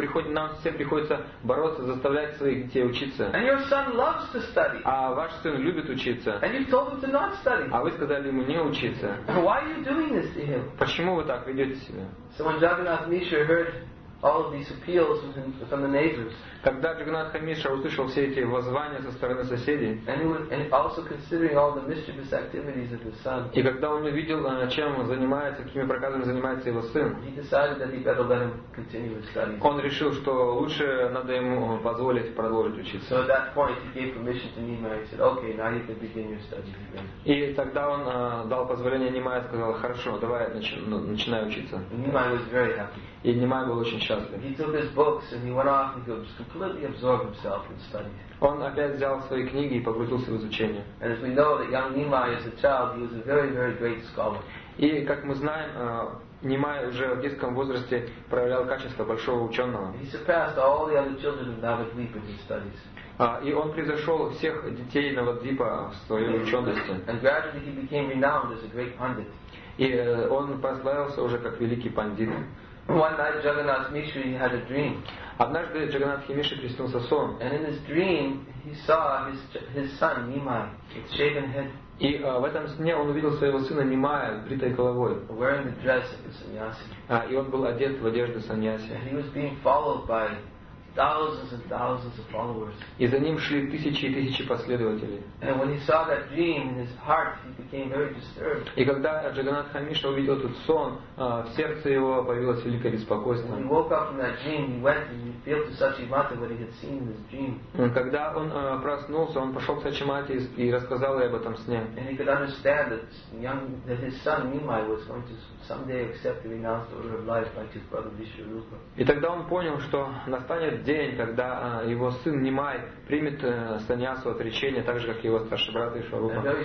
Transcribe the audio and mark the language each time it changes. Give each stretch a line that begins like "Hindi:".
Russian: Нам всем приходится бороться, заставлять своих детей учиться.
English: And your son loves to study.
Russian: А ваш сын любит учиться.
English: And you told him to not study.
Russian: А вы сказали ему не учиться.
English: Why are you doing this to him?
Russian: Почему вы так ведете себя?
English: So when Jagannath Mishra heard all of these appeals from the neighbors,
Russian: когда Джагнатха Мишра услышал все эти воззвания со стороны соседей,
English: and also considering all the mischievous activities of his son,
Russian: и когда он увидел, чем занимается, какими проказами занимается его сын,
English: he decided that he better let him continue his studies.
Russian: Он решил, что лучше надо ему позволить продолжить учиться.
English: So at that point, he gave permission to Nimai. He said, "Okay, now you can begin your studies again."
Russian: И тогда он дал позволение Нимай, сказал: "Хорошо, давай начинай учиться."
English: Nimai was very happy.
Russian: И Нимай был очень счастлив.
English: He took his books and he went off and he was completely absorbed himself in study.
Russian: Он опять взял свои книги и погрузился в изучение.
English: And as we know that young Nimai as a child, he was a very, very great scholar.
Russian: И как мы знаем, Нимай уже в детском возрасте проявлял качество большого ученого.
English: He surpassed all the other children of Navadvipa in his studies.
Russian: И он превзошел всех детей Навадвипа в своей учености.
English: And gradually he became renowned as a great pundit.
Russian: И он прославился уже как великий пандит.
English: One night Jagannath Mishra had a dream.
Russian: Однажды Джагнат Химиши приснулся сон.
English: And in his dream he saw his son Nimai with shaven head.
Russian: И в этом сне он увидел своего сына Нимая с бритой головой.
English: Wearing the dress of a sannyasi.
Russian: И он был одет в одежду саньяси.
English: And he was being followed by thousands and thousands of followers.
Russian: И за ним шли тысячи и тысячи последователей.
English: And when he saw that dream, in his heart he became very disturbed.
Russian: И когда Джагнат Химиши увидел этот сон, в сердце его появилось великое беспокойство.
English: When he woke up from that dream, he went and revealed to Sachimata what he had seen in his dream.
Russian: Когда он проснулся, он пошел к Сачимате и рассказал ей об этом сне.
English: And he could understand that his son Nimai was going to someday accept the renounced order of life like his brother Vishwarupa.
Russian: И тогда он понял, что настанет день, когда его сын Нимай примет саньясу отречение, так же, как его старший брат Вишварупа.